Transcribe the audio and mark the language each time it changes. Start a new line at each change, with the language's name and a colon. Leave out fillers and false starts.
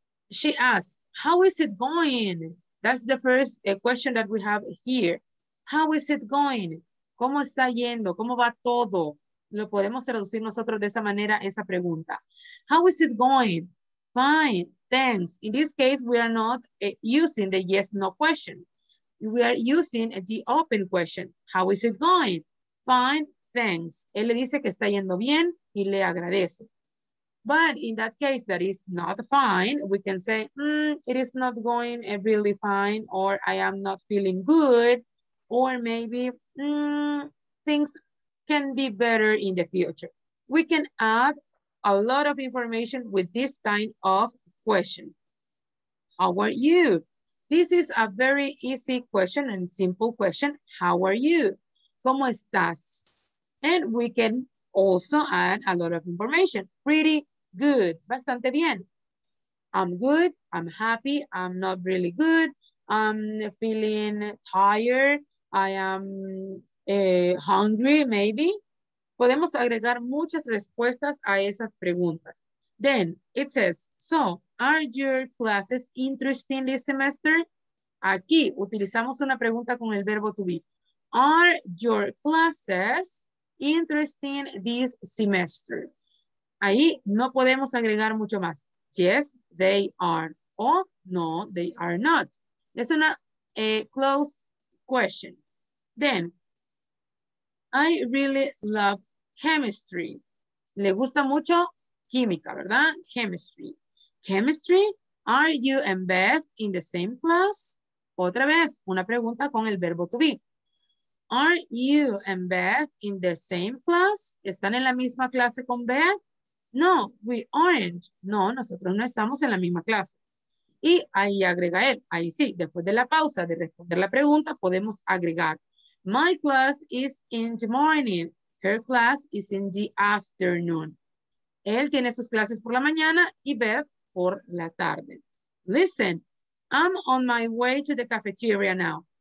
English: She asks, how is it going? That's the first question that we have here. How is it going?
Spanish: ¿Cómo está yendo? ¿Cómo va todo? Lo podemos traducir nosotros de esa manera, esa pregunta.
English: How is it going? Fine, thanks. In this case, we are not using the yes, no question. We are using the open question. How is it going? Fine, thanks.
Spanish: Él le dice que está yendo bien y le agradece.
English: But in that case, that is not fine. We can say, it is not going really fine, or I am not feeling good, or maybe things can be better in the future. We can add a lot of information with this kind of question. How are you? This is a very easy question and simple question. How are you?
Spanish: ¿Cómo estás?
English: And we can also add a lot of information. Pretty good.
Spanish: Bastante bien.
English: I'm good. I'm happy. I'm not really good. I'm feeling tired. I am hungry, maybe.
Spanish: Podemos agregar muchas respuestas a esas preguntas.
English: Then it says, so are your classes interesting this semester?
Spanish: Aquí utilizamos una pregunta con el verbo to be.
English: Are your classes interesting this semester?
Spanish: Ahí no podemos agregar mucho más.
English: Yes, they are.
Spanish: O no,
English: they are not.
Spanish: Es una
English: closed question. Then, I really love chemistry.
Spanish: Le gusta mucho química, ¿verdad? Chemistry.
English: Chemistry, are you and Beth in the same class?
Spanish: Otra vez, una pregunta con el verbo to be.
English: Are you and Beth in the same class?
Spanish: ¿Están en la misma clase con Beth?
English: No, we aren't.
Spanish: No, nosotros no estamos en la misma clase. Y ahí agrega él. Ahí sí, después de la pausa de responder la pregunta, podemos agregar.
English: My class is in the morning. Her class is in the afternoon.
Spanish: Él tiene sus clases por la mañana y Beth por la tarde.
English: Listen, I'm on my way to the cafeteria now.